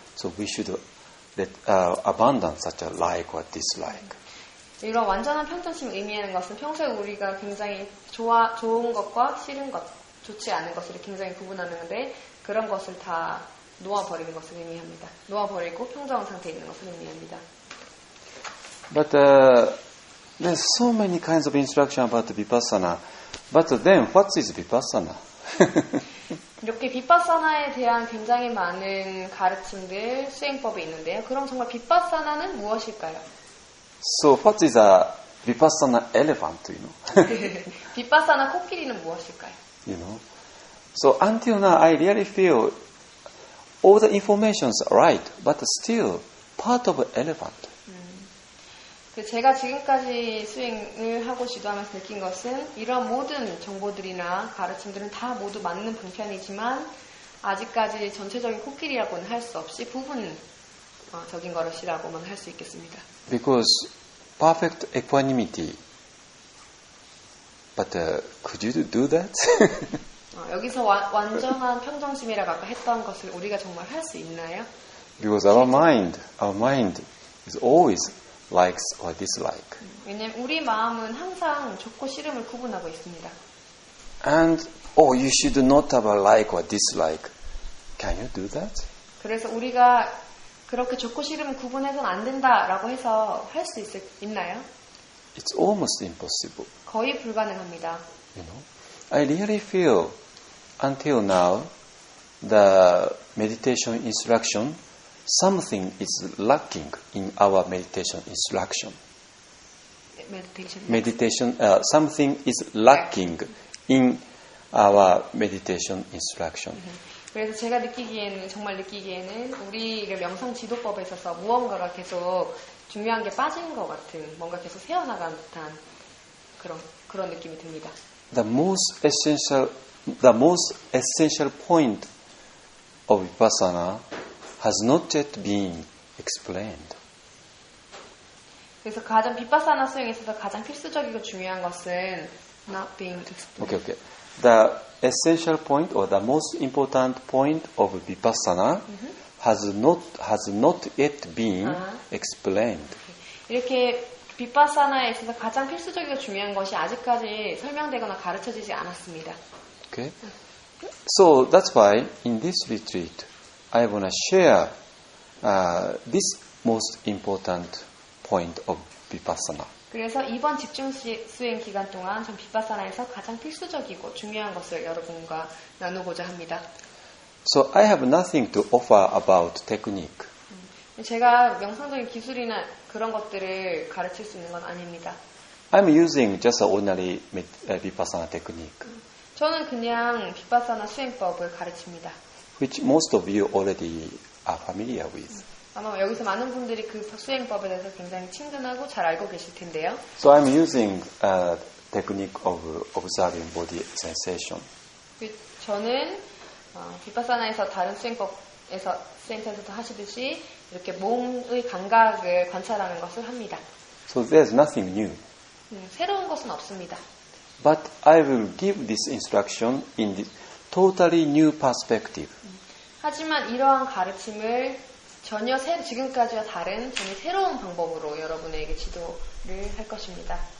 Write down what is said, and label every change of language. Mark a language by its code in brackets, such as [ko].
[en] So we should abandon such a like or dislike. [ko] 이런 완전한 평정심을 의미하는 것은 평소에 우리가 굉장히 좋은 것과 싫은 것, 좋지 않은 것을 굉장히 구분하는 건데 그런 것을 다 놓아버리는 것을 의미합니다. 놓아버리고 평정 상태에 있는 것을 의미합니다. [en] But there's so many kinds of instruction about Vipassana. But then, what is Vipassana? [ko] 이렇게 비파사나에 대한 굉장히 많은 가르침들, 수행법이 있는데요. 그럼 정말 비파사나는 무엇일까요? [en] So what is a Vipassana elephant, you know? [ko] 비파사나 코끼리는 무엇일까요? [en] You know? So until now, I really feel all the information's right, but still part of an elephant. [ko] 제가 지금까지 수행을 하고 지도하면서 느낀 것은 이런 모든 정보들이나 가르침들은 다 모두 맞는 방편이지만 아직까지 전체적인 코끼리라고는 할 수 없이 부분적인 것이라고만 할 수 있겠습니다. [en] Because perfect equanimity. But could you do that? [ko] 여기서 완전한 평정심이라고 아까 했던 것을 우리가 정말 할 수 있나요? [en] Because our mind is always likes or dislike. [ko] 왜냐면 우리 마음은 항상 좋고 싫음을 구분하고 있습니다. [en] And oh, you should not have a like or dislike. Can you do that? [ko] 그래서 우리가 그렇게 좋고 싫음을 구분해서는 안 된다라고 해서 할 수 있나요? [en] It's almost impossible. [ko] 거의 불가능합니다. [en] You know, I really feel until now, the meditation instruction, something is lacking in our meditation instruction. Something is lacking in our meditation instruction. [ko] 그래서 제가 느끼기에는 정말 느끼기에는 우리가 명상 지도법에서 무언가가 계속 중요한 게 빠진 것 같은 뭔가 계속 새어나간 듯한 그런 느낌이 듭니다. [en] The most essential point of Vipassana has not yet been explained. [ko] 그래서 가장 비파사나 수행에 있어서 가장 필수적이고 중요한 것은 [en] not being explained. Okay, okay. The essential point or the most important point of Vipassana has not yet been explained. [ko] 이렇게 비파사나에 있어서 가장 필수적이고 중요한 것이 아직까지 설명되거나 가르쳐지지 않았습니다. [en] Okay. So that's why in this retreat, I want to share this most important point of Vipassana. [ko] 그래서 이번 집중 수행 기간 동안 전 비파사나에서 가장 필수적이고 중요한 것을 여러분과 나누고자 합니다. [en] So I have nothing to offer about technique. [ko] 제가 명상적인 기술이나 그런 것들을 가르칠 수 있는 건 아닙니다. [en] I'm using just ordinary Vipassana technique. [ko] 저는 그냥 비파사나 수행법을 가르칩니다. [en] Which most of you already are familiar with. [ko] 아마 여기서 많은 분들이 그 수행법에 대해서 굉장히 친근하고 잘 알고 계실 텐데요. [en] So I'm using a technique of observing body sensation. [ko] 저는 비파사나에서 다른 수행법에서 수행자들도 하시듯이 이렇게 몸의 감각을 관찰하는 것을 합니다. [en] So there's nothing new. [ko] 새로운 것은 없습니다. [en] But I will give this instruction in the totally new perspective. [ko] 하지만 이러한 가르침을 전혀 지금까지와 다른 전혀 새로운 방법으로 여러분에게 지도를 할 것입니다.